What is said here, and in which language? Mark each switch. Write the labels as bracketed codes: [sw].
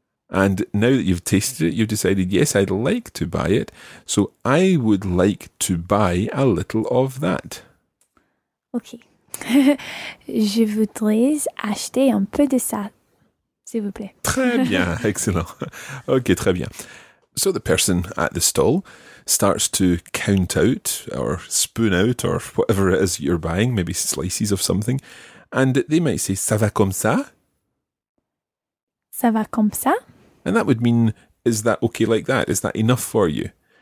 [en] And now that you've tasted it, you've decided, yes, I'd like to buy it. So I would like to buy a little of that. Okay. [fr] Je voudrais acheter un peu de ça, s'il vous plaît. Très bien. Excellent. Okay, très bien. [en] So the person at the stall starts to count out or spoon out or whatever it is you're buying, maybe slices of something, and they might say, [fr] ça va comme ça? Ça va comme ça? [en] And that would mean, is that okay like that? Is that enough for you?